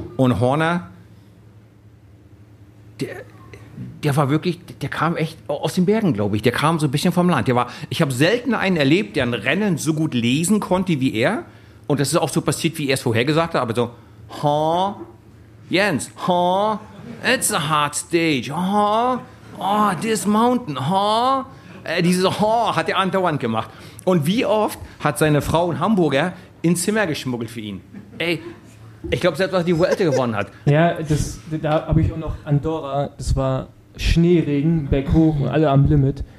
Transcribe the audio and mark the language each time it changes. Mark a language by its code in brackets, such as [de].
[de] Und Horner, der war wirklich, der kam echt aus den Bergen, glaube ich. Der kam so ein bisschen vom Land. Ich habe selten einen erlebt, der ein Rennen so gut lesen konnte wie er. Und das ist auch so passiert, wie er es vorhergesagt hat. Aber so, [en] Jens, it's a hard stage. This mountain, [de] dieses hat er andauernd gemacht. Und wie oft hat seine Frau einen Hamburger ins Zimmer geschmuggelt für ihn? Ey, Ich glaube, selbst was die Vuelta gewonnen hat. Ja, das, da habe ich auch noch Andorra, das war Schneeregen, berghoch und alle am Limit.